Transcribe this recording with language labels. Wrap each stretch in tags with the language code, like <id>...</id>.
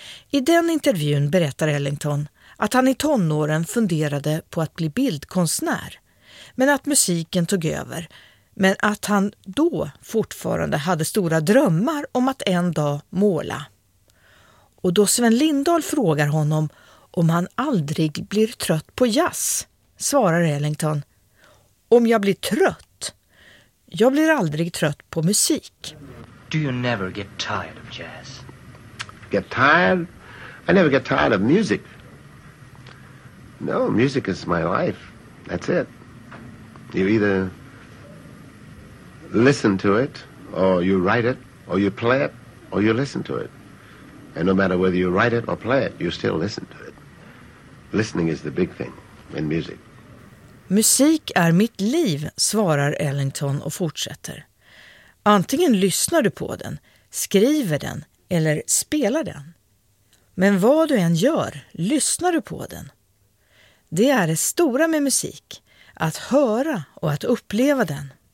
<sv>I den intervjun berättar Ellington att han i tonåren funderade på att bli bildkonstnär, men att musiken tog över, men att han då fortfarande hade stora drömmar om att en dag måla. Och då Sven Lindahl frågar honom om han aldrig blir trött på jazz, svarar Ellington: om jag blir trött? Jag blir aldrig trött på musik.</sv> <en>Do you never get tired of jazz? Get tired? I never get tired of music. No, music is my life. That's it. You either listen to it, or you write it, or you play it, or you listen to it. And no matter whether you write it or play it, you still listen to it. Listening is the big thing in music.</en> <sv>Musik är mitt liv, svarar Ellington och fortsätter. Antingen lyssnar du på den, skriver den eller spelar den. Men vad du än gör, lyssnar du på den. Det är det stora med musik, att höra och att uppleva den.</sv>